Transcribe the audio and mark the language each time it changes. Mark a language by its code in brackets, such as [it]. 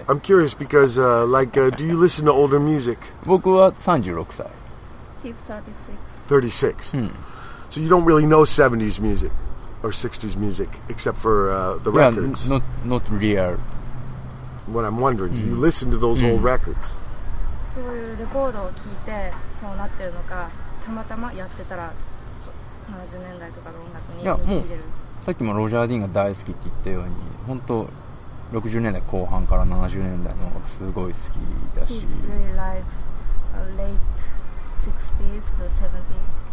[en] I'm curious because do you listen to older music? [ja] 僕は36歳。 [en] He's 36. So you don't really know 70s music or 60s music except for the records. Not real. What I'm wondering, do you listen to those old records? [ja] そういうレコードを聞いてそうなってるのか、たまたまやってたら70年代とかの音楽に入れる。いや、もうさっきもロジャー・ディーンが大好きって言ったように、本当60年代後半から70年代の音楽すごい好きだし。 [en] He really likes late 60s to 70s.